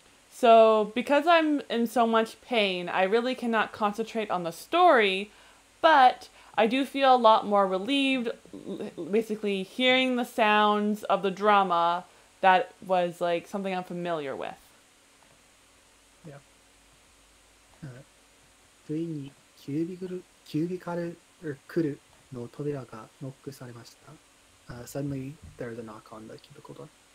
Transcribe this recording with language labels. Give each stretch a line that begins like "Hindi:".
English: So because I'm in so much pain, I really cannot concentrate on the story, but I do feel a lot more relieved basically hearing the sounds of the drama that was like something I'm familiar with. Yeah.
Japanese: ついにキュービカルor クルの扉がノックされました。
English: Suddenly there's a knock on the cubicle door.